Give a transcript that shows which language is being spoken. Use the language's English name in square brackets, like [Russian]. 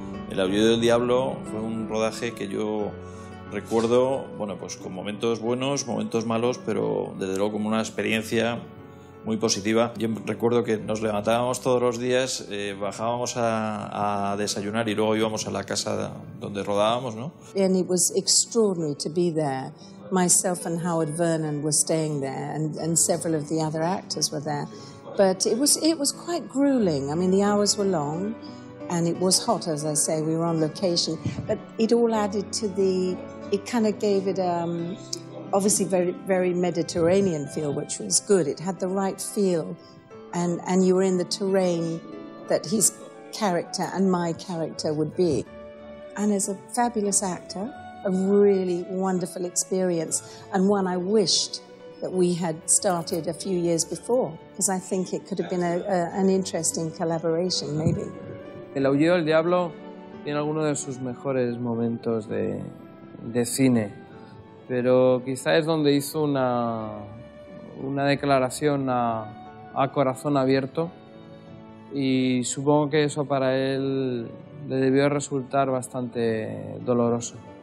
[Spanish] El diablo fue un rodaje que yo recuerdo, bueno, pues con momentos buenos, momentos malos, pero desde luego como una experiencia muy positiva. Yo recuerdo que nos levantábamos todos los días, bajábamos a desayunar y luego íbamos a la casa donde rodábamos, ¿no? [English] And it was extraordinary to be there. Myself and Howard Vernon were staying there, and several of the other actors were there. But it was quite grueling. I mean, the hours were long. And it was hot, as I say, we were on location, but it all added to the, it kind of gave it obviously very, very Mediterranean feel, which was good. It had the right feel, and you were in the terrain that his character and my character would be. And as a fabulous actor, a really wonderful experience, and one I wished that we had started a few years before, because I think it could have been an interesting collaboration, maybe. [Spanish] El aullido del diablo tiene algunos de sus mejores momentos de cine, pero quizá es donde hizo una declaración a corazón abierto y supongo que eso para él le debió resultar bastante doloroso.